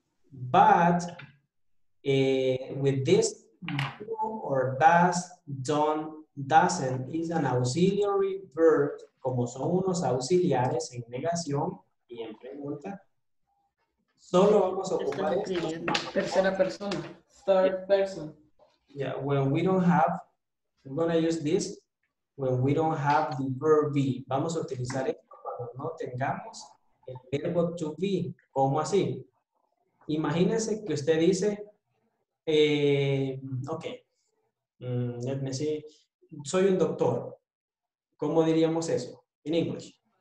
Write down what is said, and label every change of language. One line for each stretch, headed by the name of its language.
English: But with this do or does, don't, doesn't is an auxiliary verb.
Spanish: Como son unos auxiliares en negación y en pregunta, solo vamos a ocupar esto. Tercera persona.
English: Third person. Yeah, when we don't have, I'm going to use this, when we don't have the verb be.
Spanish: Vamos a utilizar esto cuando no tengamos el verbo to be. ¿Cómo así? Imagínense que usted dice,
English: let me see,
Spanish: soy un doctor. ¿Cómo diríamos eso
English: in English?